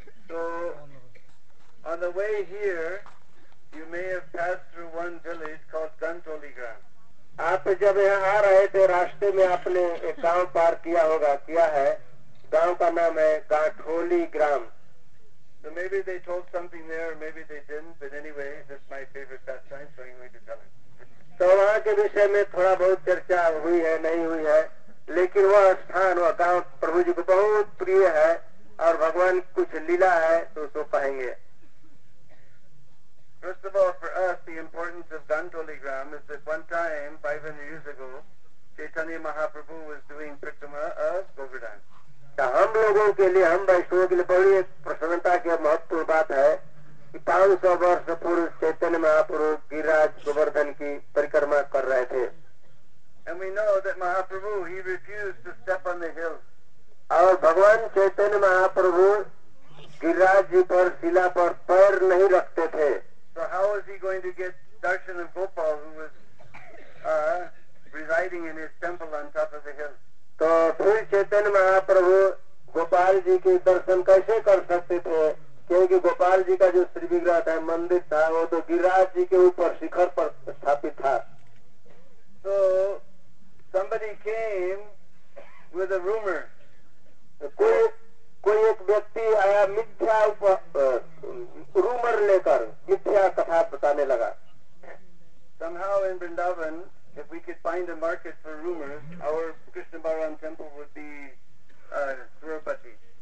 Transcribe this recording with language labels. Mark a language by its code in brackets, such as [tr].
[en] तो on the way here you may have passed through one village called Gantoli ग्राम. [hi] आप जब यहाँ आ रहे थे रास्ते में आपने एक गांव पार किया होगा किया है गांव का नाम है गांठोली ग्राम. [en] So maybe they told something there, or maybe they didn't. But anyway, this is my favorite pastime, so I'm going to tell it. [hi] So वहाँ के विषय में थोड़ा बहुत चर्चा हुई है, नहीं हुई है, लेकिन वह स्थान, वह गांव प्रभु जी को बहुत प्रिय है, और भगवान कुछ लीला है, तो उसको कहेंगे. [en] First of all, for us, the importance of Gantoli Gram is that one time, 500 years ago, Chaitanya Mahaprabhu was doing pratama of Govardhan. [hi] हम लोगों के लिए हम वैष्णवों के लिए बड़ी एक प्रसन्नता की महत्वपूर्ण बात है कि 500 वर्ष पूर्व चैतन्य महाप्रभु गिरिराज गोवर्धन की परिक्रमा कर रहे थे. [en] And we know that Mahaprabhu, he refused to step on the hill. [hi] और भगवान चैतन्य महाप्रभु गिरिराज जी पर शिला पर पैर नहीं रखते थे. [en] So how was he going to get darshan of Gopal who was residing in his temple on top of the hill? [hi] तो फिर चैतन्य महाप्रभु गोपाल जी के दर्शन कैसे कर सकते थे क्योंकि गोपाल जी का जो श्री विग्रह था मंदिर था वो तो गिरिराज जी के ऊपर शिखर पर स्थापित था. [en] So, somebody came with a rumor. [hi] कोई एक व्यक्ति आया मिथ्या रूमर लेकर मिथ्या कथा बताने लगा. [en] Somehow in Vrindavan, if we could find a market for rumors, our Krishna Balaram temple would be Tirupati.